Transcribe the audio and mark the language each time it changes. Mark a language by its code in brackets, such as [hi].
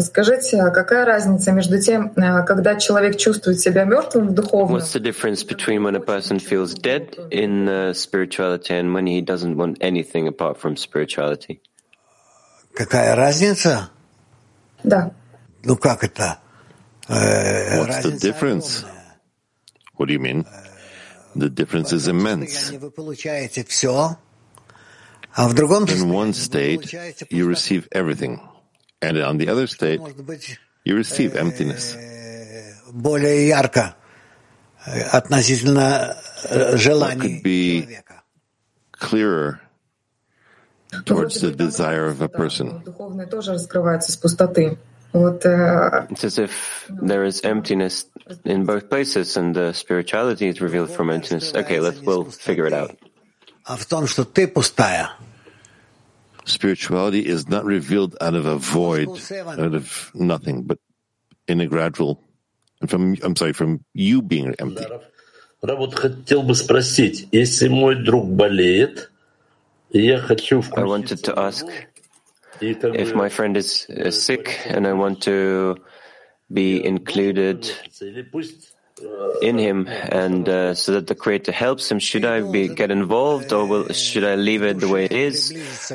[ru] Скажите, какая разница между тем, когда человек чувствует себя мертвым в духовном? [en] What's the difference between when a person feels dead in spirituality and when he doesn't want anything apart from spirituality? [ru] Какая разница? Да. Ну как это? [en] What's the difference? What do you mean? The difference is immense. [ru] Вы получаете все, а в другом [en] in one state you receive everything. And on the other state, you receive emptiness. [ru] Более ярко относительно желаний. [en] Could be clearer towards the desire of a person. [ru] Духовное тоже раскрывается с пустоты. Вот. [en] It's as if there is emptiness in both places, and the spirituality is revealed from emptiness. Okay, we'll figure it out. [ru] А в том, что ты пустая. [en] Spirituality is not revealed out of a void, out of nothing, but in a gradual, from you being empty. [ru] Рав, вот хотел бы спросить, если мой друг болеет, я хочу включить... [en] I wanted to ask if my friend is sick and I want to be included in him, and so that the Creator helps him, should I get involved, or should I leave it the way it is?